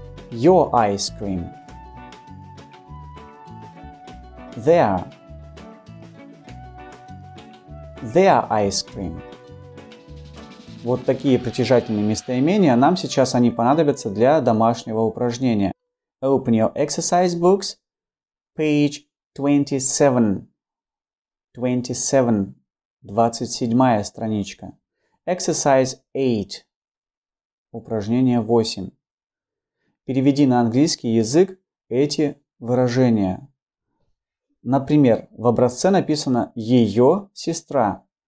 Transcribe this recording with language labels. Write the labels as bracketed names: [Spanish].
[English] Your ice cream. Their. Their ice cream. [Russian] Вот такие притяжательные местоимения. Нам сейчас они понадобятся для домашнего упражнения. [English] Open your exercise books. Page 27. 27. [Russian] 27 страничка. [English] Exercise 8. [Russian] Упражнение 8. Переведи на английский язык эти выражения. Например, в образце написано «её сестра».